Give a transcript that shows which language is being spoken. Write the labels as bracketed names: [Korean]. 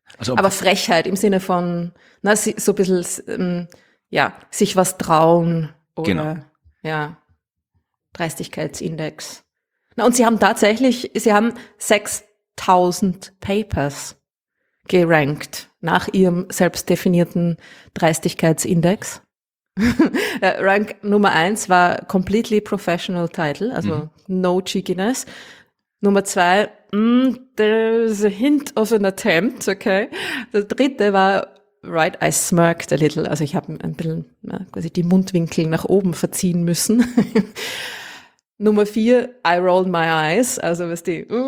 [German] Also, aber Frechheit im Sinne von, na, so ein bisschen, ja, sich was trauen oder, genau, ja, Dreistigkeitsindex. Na, und sie haben tatsächlich, sie haben 6000 Papers gerankt nach ihrem selbstdefinierten Dreistigkeitsindex. Rank Nummer 1 war [English] Completely Professional Title, [German] also [English] no cheekiness. Nummer 2, there's a hint of an attempt, okay. [German] Der dritte war, [English] right, I smirked a little. [German] Also ich habe ein bisschen, ja, quasi die Mundwinkel nach oben verziehen müssen. Nummer 4, [English] I rolled my eyes, [German] also was die.